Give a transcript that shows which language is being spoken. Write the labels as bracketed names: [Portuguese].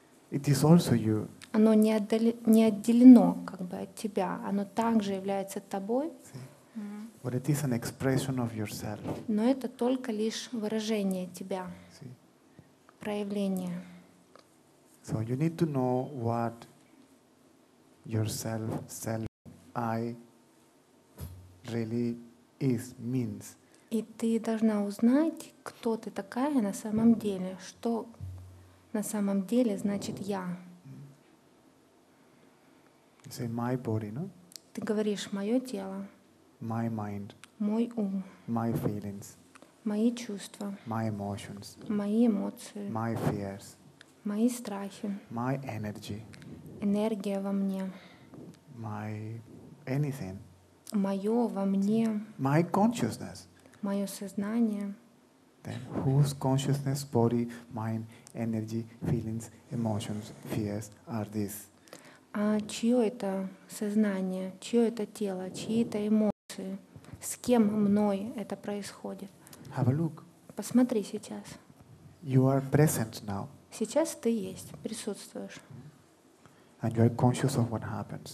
[English] It is also you. [Russian] Оно не отделено как бы от тебя. Оно также является тобой. [English] But it is an expression of yourself. [Russian] Но это только лишь выражение тебя, [English] see? [Russian] Проявление. [English] So you need to know what yourself, self, I really is, means. [Russian] И ты должна узнать, кто ты такая на самом деле, что на самом деле значит я. [English] You say my body, no? [Russian] Ты говоришь мое тело. [English] My mind. [Russian] Мой ум. [English] My feelings. [Russian] Мои чувства. [English] My emotions. [Russian] Мои эмоции. [English] My fears. [Russian] Мои страхи. [English] My energy. [Russian] Энергия во мне. [English] My anything. [Russian] Мое во мне. [English] My consciousness. [Russian] Мое сознание. [English] Then whose consciousness, body, mind, energy, feelings, emotions, fears are these? [Russian] А чье это сознание, чье это тело, чьи это эмоции? С кем мной это происходит? [English] Have a look. [Russian] Посмотри сейчас. [English] You are present now. [Russian] Сейчас ты есть, присутствуешь. [English] And you are conscious of what happens.